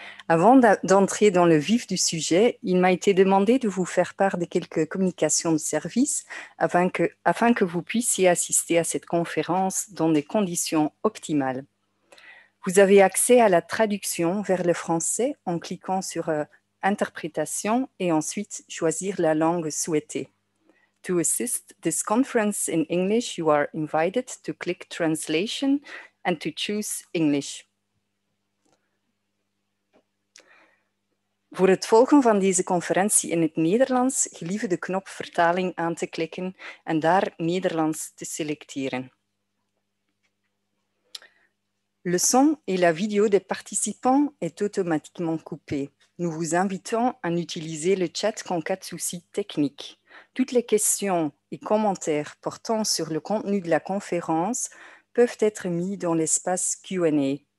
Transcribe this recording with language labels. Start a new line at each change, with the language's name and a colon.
French: Avant d'entrer dans le vif du sujet, il m'a été demandé de vous faire part de quelques communications de service afin que vous puissiez assister à cette conférence dans des conditions optimales. Vous avez accès à la traduction vers le français en cliquant sur Interprétation et ensuite choisir la langue souhaitée.
English: To assist this conference in English, you are invited to click Translation and to choose English.
Dutch: Voor het volgen van deze conferentie in het Nederlands, gelieve de knop Vertaling aan te klikken en daar Nederlands te selecteren.
French: Le son et la vidéo des participants est automatiquement coupé. Nous vous invitons à utiliser le chat en cas de soucis techniques. Toutes les questions et commentaires portant sur le contenu de la conférence peuvent être mis dans l'espace Q&A.